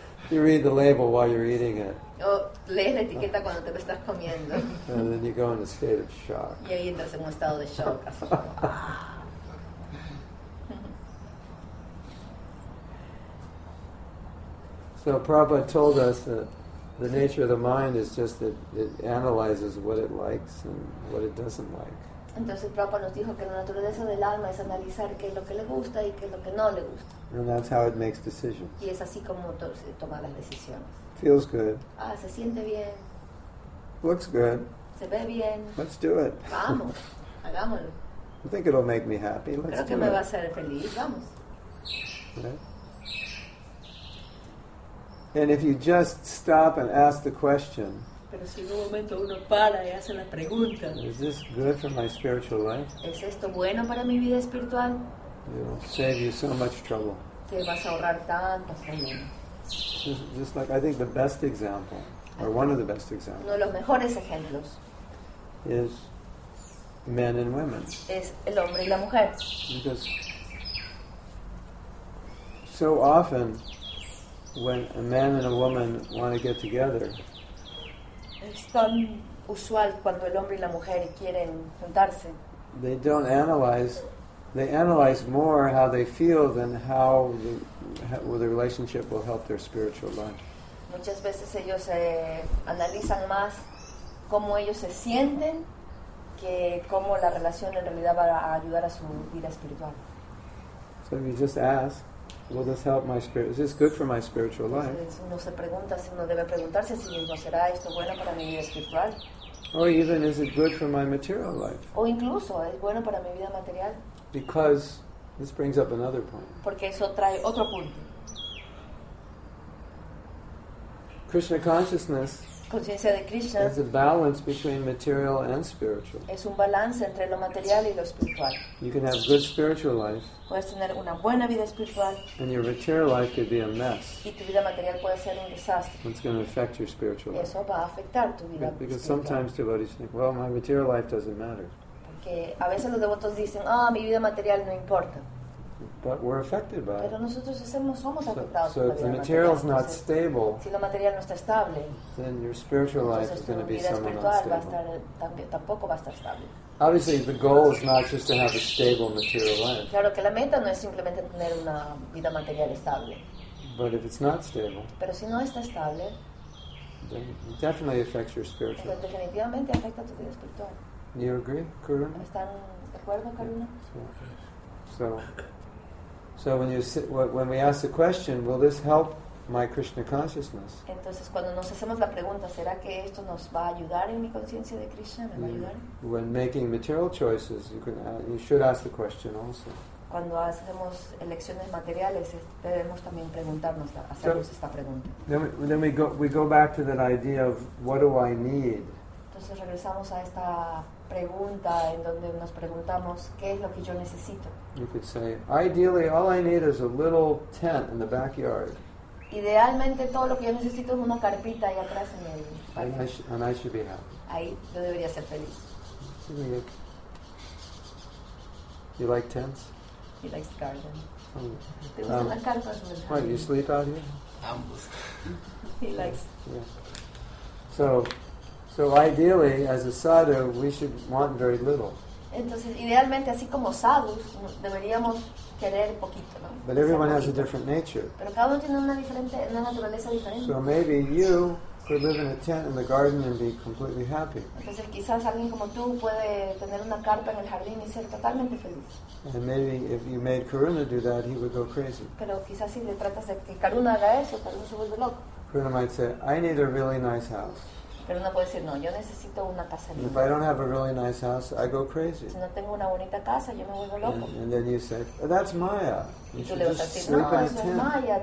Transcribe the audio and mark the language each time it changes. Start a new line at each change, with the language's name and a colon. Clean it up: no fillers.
English: You read the label while you're eating it.
Spanish: Oh, lees la etiqueta cuando te lo estás comiendo.
English: And then you go in a state of shock.
Spanish: Y ahí entras en un estado de shock. Así.
English: So Prabhupada told us that the nature of the mind is just that it analyzes what it likes and what it doesn't like.
Spanish: Entonces Prabhupada nos dijo que la naturaleza del alma es analizar qué es lo que le gusta y qué es lo que no le gusta.
English: And that's how it makes decisions.
Spanish: Y es así como toma las decisiones.
English: Feels good.
Spanish: Ah, se siente bien.
English: Looks good.
Spanish: Se ve bien.
English: Let's do it.
Spanish: Vamos, hagámoslo.
English: I think it'll make me happy. Let's
Spanish: creo que
English: do
Spanish: me
English: it.
Spanish: Va a hacer feliz. Vamos.
English: Right. And if you just stop and ask the question,
Spanish: pero si en un momento uno para y hace la pregunta,
English: is this good for my spiritual life?
Spanish: ¿Es esto bueno para mi vida espiritual?
English: It'll save you so much trouble.
Spanish: Te vas a ahorrar tantos problemas.
English: Just like I think the best example, or one of the best examples,
Spanish: uno de los mejores ejemplos,
English: is men and women.
Spanish: Es el hombre y la mujer.
English: Because so often, when a man and a woman want to get together,
Spanish: es tan usual cuando el hombre y la mujer quieren juntarse.
English: They don't analyze. They analyze more how they feel than how the relationship will help their spiritual life.
Spanish: Muchas veces ellos analizan más cómo ellos se sienten que cómo la relación en realidad va a ayudar a su vida espiritual.
English: So you just ask, will this help my spirit? Is this good for my spiritual life?
Spanish: Uno se pregunta, uno debe preguntarse si no será esto bueno para mi vida espiritual.
English: Or even is it good for my material life?
Spanish: O incluso es bueno para mi vida material.
English: Because this brings up another point.
Spanish: Porque eso trae otro punto.
English: Krishna consciousness.
Spanish: Conciencia de Krishna.
English: Is a balance between material and spiritual.
Spanish: Es un balance entre lo material y lo espiritual.
English: You can have good spiritual life.
Spanish: Puedes tener una buena vida espiritual.
English: And your material life could be a mess.
Spanish: Y tu vida material puede ser un desastre.
English: It's going to affect your spiritual life.
Spanish: Eso va a afectar tu vida espiritual.
English: Because sometimes devotees think, well, my material life doesn't matter.
Spanish: Que a veces los devotos dicen, ah, mi vida material no importa.
English: But we're affected by it.
Spanish: Pero nosotros somos afectados.
English: So if the material's not stable,
Spanish: si lo material no está estable,
English: then your spiritual life is going to be somewhat unstable.
Spanish: Entonces tu vida espiritual tampoco va a estar estable.
English: Obviously, the goal is not just to have a stable material life.
Spanish: Claro que la meta no es simplemente tener una vida material estable.
English: But if it's not stable,
Spanish: pero si no está estable,
English: then it definitely affects your spiritual life.
Spanish: Definitivamente afecta tu vida espiritual.
English: Do you agree, Karuna?
Spanish: ¿Están de acuerdo, Karuna?
English: So when you sit, when we ask the question, will this help my Krishna consciousness?
Spanish: Entonces, cuando nos hacemos la pregunta, ¿será que esto nos va a ayudar en mi conciencia de Krishna? ¿Me va a ayudar?
English: When making material choices, you should ask the question also.
Spanish: Cuando hacemos elecciones materiales, debemos también preguntarnos, hacernos esta pregunta.
English: Then we go back to that idea of what do I need?
Spanish: Entonces regresamos a esta pregunta en donde nos preguntamos qué es lo que yo necesito.
English: You could say, ideally, all I need is a little tent in the backyard.
Spanish: Idealmente todo lo que yo necesito es una carpita ahí atrás en el.
English: And I should be happy.
Spanish: Ahí yo debería ser feliz.
English: You like tents? He likes the garden.
Spanish: ¿Te gusta la carpa?
English: What, you sleep out here?
Spanish: Ambos.
English: He likes. Yeah. So ideally, as a sadhu, we should want very little.
Spanish: Entonces, idealmente, así como sadhus, deberíamos querer poquito, ¿no?
English: But everyone has a different nature.
Spanish: Pero cada uno tiene una naturaleza diferente.
English: So maybe you could live in a tent in the garden and be completely happy.
Spanish: Entonces, quizás alguien como tú puede tener una carpa en el jardín y ser totalmente feliz.
English: And maybe if you made Karuna do that, he would go crazy.
Spanish: Pero quizás si le tratas de que Karuna haga eso, Karuna se vuelve loco.
English: Karuna might say, I need a really nice house.
Spanish: Pero uno puede decir, no, yo necesito una casa linda.
English: If I don't have a really nice house, I go crazy.
Spanish: Si no tengo una bonita casa, yo me vuelvo loco.
English: And then you say, oh, that's Maya. You
Spanish: y tú le vas a decir, no, eso es Maya.